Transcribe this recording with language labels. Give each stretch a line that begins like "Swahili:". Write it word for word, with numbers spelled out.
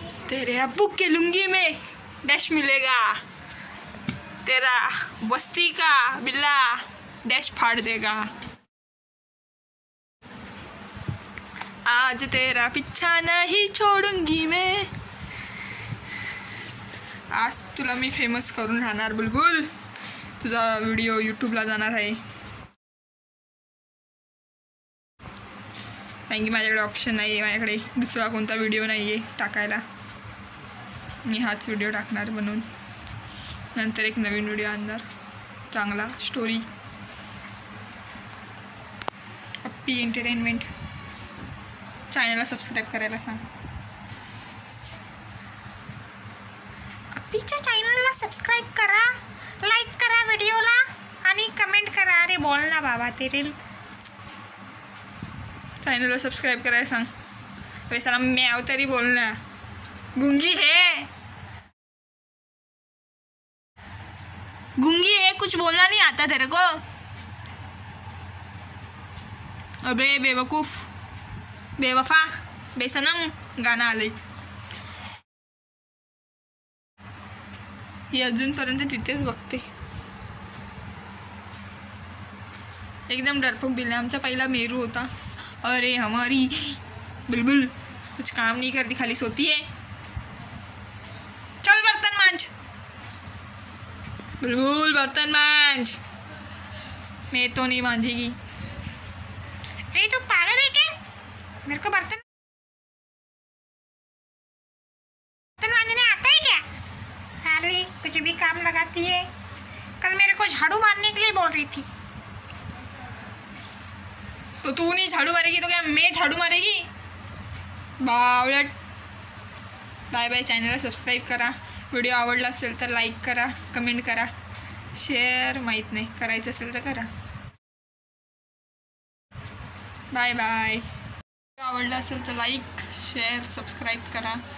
Hindi: तेरे अब्बू के लुंगी में डैश मिलेगा, तेरा बस्ती का बिल्ला डैश फाड़ देगा। आज तेरा पीछा नहीं छोडूंगी मैं।
Marathi: आज तुला मी फेमस करून राहणार बुलबुल, तुझा व्हिडिओ यूट्यूबला जाणार आहे. कारण की माझ्याकडे ऑप्शन नाही आहे, माझ्याकडे दुसरा कोणता व्हिडिओ नाही आहे टाकायला. मी हाच व्हिडिओ टाकणार बनवून, नंतर एक नवीन व्हिडिओ आणणार चांगला स्टोरी अप्पी एंटरटेनमेंट. चॅनलला सबस्क्राईब करायला सांग. अप्पीच्या चॅनलला सबस्क्राईब करा, लाईक करा व्हिडिओला आणि कमेंट करा. अरे बोल ना बाबा ते रील. चॅनलला सबस्क्राईब करायला सांग. पैसाला म्याव तरी बोल ना
Hindi: गुंगी है, गुंगी है, कुछ बोलना नहीं आता तेरे को. अबे बेवकूफ
Marathi: बेवफा बेसनम गाणं आलंय. ही अजूनपर्यंत तिथेच बघते. एकदम डरपोक बिल्ला. आमचा पहिला मेरू होता.
Hindi: अरे हमारी बुलबुल कुछ काम नहीं करती, खाली सोती है. चल बर्तन मांझ बुलबुल, बर्तन मांझ. मैं तो नहीं मांझेगी. अरे तू पागल है क्या? मेरे को बर्तन बर्तन मांझने आता है क्या? साली कुछ भी काम लगाती है. कल मेरे को झाड़ू मारने के लिए बोल रही थी. तो तू नहीं झाड़ू मारेगी तो क्या मैं झाड़ू मारेगी?
Marathi: बावळट. Bye bye. चॅनलला सबस्क्राईब करा, व्हिडिओ आवडला असेल तर लाईक करा, कमेंट करा, शेअर माहीत नाही करायचं असेल तर करा. Bye bye. व्हिडिओ आवडला असेल तर लाईक शेअर सबस्क्राईब करा.